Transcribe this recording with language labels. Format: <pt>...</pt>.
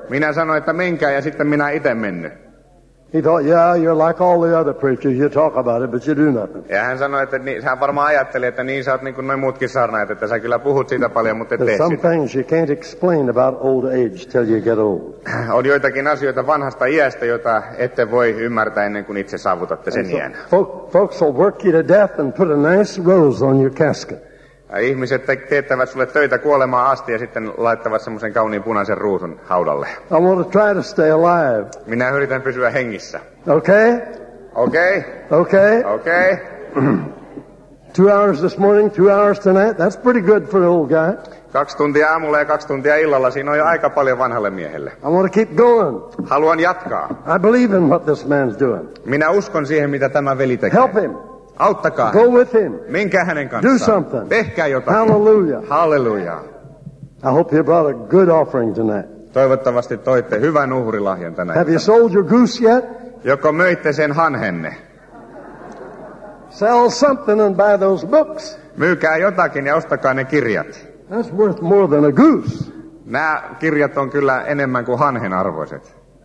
<fi>Minä sanoin, että menkää, ja sitten minä itse mennyt.</fi> <en>He thought, yeah, you're like all the other preachers. You talk about it, but you do nothing.</en> <fi>Ja hän sanoi, että hän varmaan ajatteli, että niin sä oot niin kuin noin muutkin saarnaajat, että sä kyllä puhut siitä paljon, mutta et tee sitä.</fi> <en>Some things you can't explain about old age till you get old.</en> <fi>On joitakin asioita vanhasta iästä, joita ette voi ymmärtää ennen kuin itse saavutatte sen iän.</fi> <en>Folks will work you to death and put a nice rose on your casket.</en> <fi>Ja ihmiset teettävät sulle töitä kuolemaan asti ja sitten laittavat semmoisen kauniin punaisen ruusun haudalle.</fi> <en>I want to try to stay alive.</en> <fi>Minä yritän pysyä hengissä.</fi> <en>Okay? Okay. Okay. Okay. 2 hours this morning, 2 hours tonight. That's pretty good for an old guy.</en> <fi>2 tuntia aamulla ja 2 tuntia illalla. Siinä on jo aika paljon vanhalle miehelle.</fi> <en>I want to keep going.</en> <fi>Haluan jatkaa.</fi> <en>I believe in what this man's doing.</en> <fi>Minä uskon siihen, mitä tämä veli tekee.</fi> <en>Help him.</en> <fi>Auttakaa.</fi> <en>Go with him.</en> <fi>Menkää hänen kanssaan.</fi> <en>Do something.</en> <fi>Tehkää jotakin.</fi> <en>Hallelujah. Hallelujah. I hope you brought a good offering tonight.</en> <fi>Toivottavasti toitte hyvän uhrilahjan tänä iltana.</fi> <en>Have you sold your goose yet?</en> <fi>Joko myitte sen hanhenne?</fi> <en>Sell something and buy those books.</en> <fi>Myykää jotakin ja ostakaa ne kirjat.</fi> <en>That's worth more than a goose.</en> <fi>Nämä kirjat on kyllä enemmän kuin hanhen arvoiset.</fi>